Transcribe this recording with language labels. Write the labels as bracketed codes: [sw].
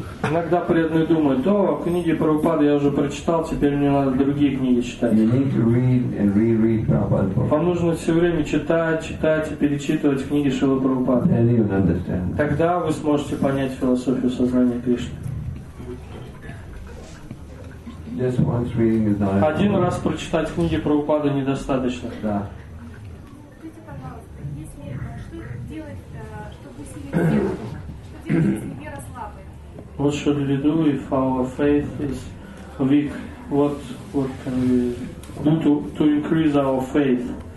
[ru] Иногда преданные думают, о, книги Прабхупады я уже прочитал, теперь мне надо другие книги читать. [en] You need to read and reread Prabhupada's books. [ru] Вам нужно все время читать, читать и перечитывать книги Шрилы Прабхупады. [en] Then you'll understand. [ru] Тогда вы сможете понять философию сознания Кришны. [en] Just once reading is not. [ru] Один раз прочитать книги Прабхупады недостаточно. Да. Скажите, пожалуйста, если что делать, чтобы усилить веру? Что делать, если вера слабая? [en] What should we do if our faith is weak? What can we do to increase our faith?